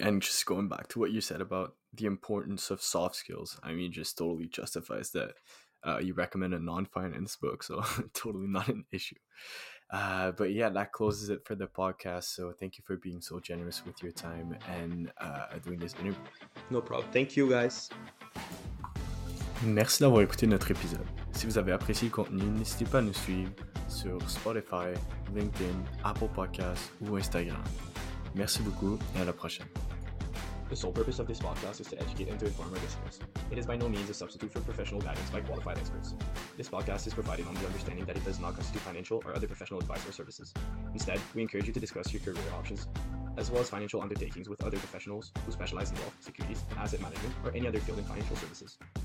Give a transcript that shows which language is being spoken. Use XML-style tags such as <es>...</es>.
<en>And just going back to what you said about the importance of soft skills, I mean, just totally justifies that you recommend a non-finance book, so totally not an issue. But yeah, that closes it for the podcast. So thank you for being so generous with your time and doing this interview. No problem. Thank you, guys.</en> <fr>Merci d'avoir écouté notre épisode. Si vous avez apprécié le contenu, n'hésitez pas à nous suivre sur Spotify, LinkedIn, Apple Podcasts ou Instagram. Merci beaucoup et à la prochaine.</fr> <en>The sole purpose of this podcast is to educate and to inform our listeners. It is by no means a substitute for professional guidance by qualified experts. This podcast is provided on the understanding that it does not constitute financial or other professional advice or services. Instead, we encourage you to discuss your career options, as well as financial undertakings with other professionals who specialize in wealth, securities, asset management, or any other field in financial services.</en>